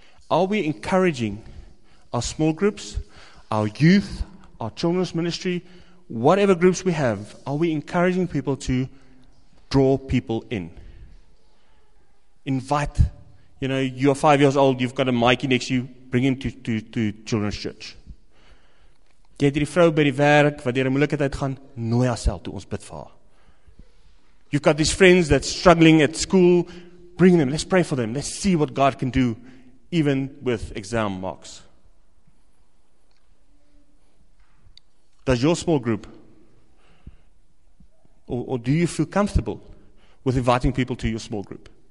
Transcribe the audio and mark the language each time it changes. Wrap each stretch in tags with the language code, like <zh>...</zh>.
<en>Are we encouraging our small groups, our youth, our children's ministry, whatever groups we have, are we encouraging people to draw people in? Invite, you know, you're 5 years old, you've got a Mikey next to you, bring him to children's church.</en> <af>Jy het hierdie vrou by die werk, wat deur 'n moeilikheid gaan, nooi haar self toe, ons bid vir haar.</af> <en>You've got these friends that's struggling at school, bring them, let's pray for them, let's see what God can do, even with exam marks. Does your small group, or do you feel comfortable with inviting people to your small group?</en>